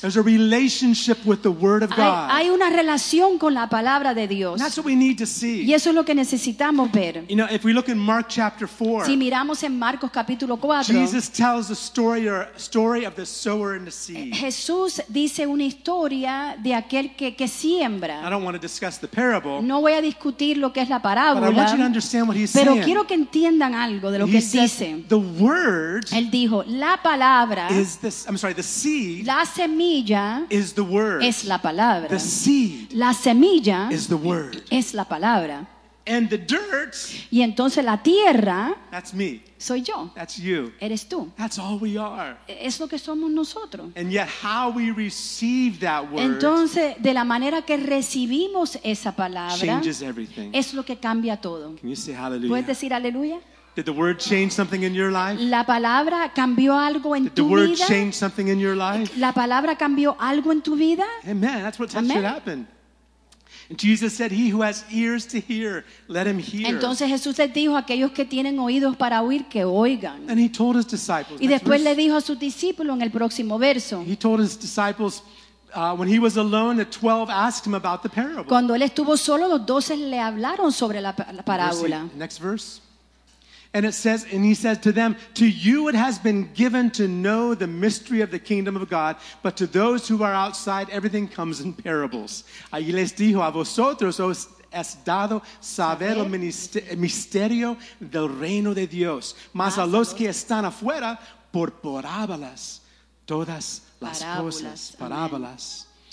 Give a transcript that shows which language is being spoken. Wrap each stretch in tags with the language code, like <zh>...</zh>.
<en>There's a relationship with the word of God.</en> <es>Hay una relación con la palabra de Dios.</es> <en>And that's what we need to see.</en> <es>Y eso es lo que necesitamos ver.</es> <en>You know, if we look in Mark chapter 4,</en> <es>si miramos en Marcos capítulo 4,</es> <en>Jesus tells a story of the sower and the seed.</en> <es>Jesús dice una historia de aquel que siembra.</es> <en>I don't want to discuss the parable.</en> <es>No voy a discutir lo que es la parábola.</es> <en>But I want you to understand what he's</en> <es>pero</es> <en>saying.</en> <es>Quiero que entiendan algo de lo</es> <en>he</en> <es>que dice.</es> <en>The word,</en> <es>él dijo, la palabra,</es> <en>is this, I'm sorry, the seed,</en> <es>la semilla,</es> <en>is the word,</en> <es>es la palabra.</es> <en>The seed,</en> <es>la semilla,</es> <en>is the word,</en> <es>es la palabra.</es> <en>And the dirt,</en> <es>y entonces la tierra,</es> <en>that's me,</en> <es>soy yo,</es> <en>that's you,</en> <es>eres tú,</es> <en>that's all we are,</en> <es>es lo que somos nosotros.</es> <en>And yet how we receive that word,</en> <es>entonces de la manera que recibimos esa palabra,</es> <en>changes everything,</en> <es>es lo que cambia todo.</es> <en>Can you say hallelujah?</en> <es>¿Puedes decir aleluya?</es> <en>Did the word change something in your life?</en> <es>La palabra cambió algo en tu vida.</es> <en>Did the word change something in your life?</en> <es>La palabra cambió algo en tu vida.</es> <en>Amen. That's what should happen. Jesus said, "He who has ears to hear, let him hear."</en> <es>Entonces Jesús les dijo, aquellos que tienen oídos para oír, que oigan.</es> <en>And he told his disciples.</en> <es>Y después le dijo a sus discípulos en el próximo verso.</es> <en>He told his disciples, when he was alone, the 12 asked him about the parable.</en> <es>Cuando él estuvo solo, los 12 le hablaron sobre la parábola.</es> <en>Next verse. And it says, and he said to them, "To you it has been given to know the mystery of the kingdom of God, but to those who are outside, everything comes in parables."</en> <es>Ahí les dijo, "A vosotros os es dado saber el misterio del reino de Dios, mas a los que están afuera, por parábolas, todas las cosas." Parábolas.</es>